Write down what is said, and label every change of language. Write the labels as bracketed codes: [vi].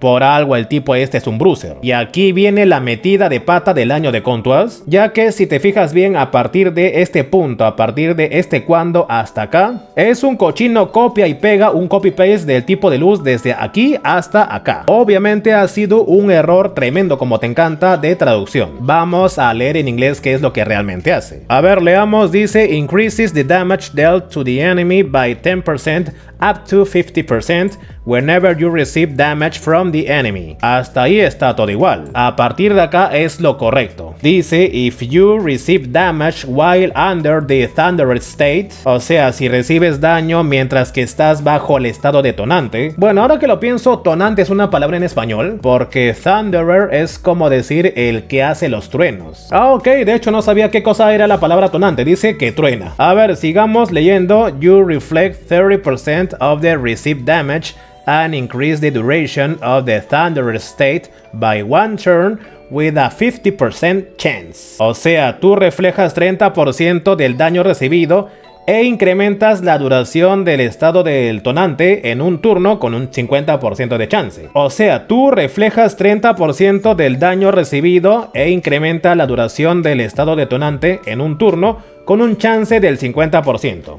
[es] Por algo el tipo este es un bruiser. Y aquí viene la metida de pata del año de Contuas, ya que si te fijas bien, a partir de este punto, a partir de este cuando hasta acá, es un cochino copia y pega, un copy paste del tipo de luz desde aquí hasta acá. Obviamente ha sido un error tremendo, como te encanta, de traducción. Vamos a leer en inglés qué es lo que realmente hace. A ver, leamos. Dice: [en] increases the damage dealt to the enemy by 10% up to 50% whenever you receive damage from the enemy. [es] Hasta ahí está todo igual. A partir de acá es lo correcto. Dice: [en] if you receive damage while under the thunder state. [es] O sea, si recibes daño mientras que estás bajo el estado detonante. Bueno, ahora que lo pienso, tonante es una palabra en español, porque thunderer es como decir el que hace los truenos. Ah, ok, de hecho no sabía qué cosa era la palabra tonante. Dice que truena. A ver, sigamos leyendo. [en] You reflect 30% of the received damage and increase the duration of the thunder state by one turn with a 50% chance. [es] O sea, tú reflejas 30% del daño recibido e incrementas la duración del estado del tonante en un turno con un 50% de chance. O sea, tú reflejas 30% del daño recibido e incrementa la duración del estado detonante en un turno con un chance del 50%.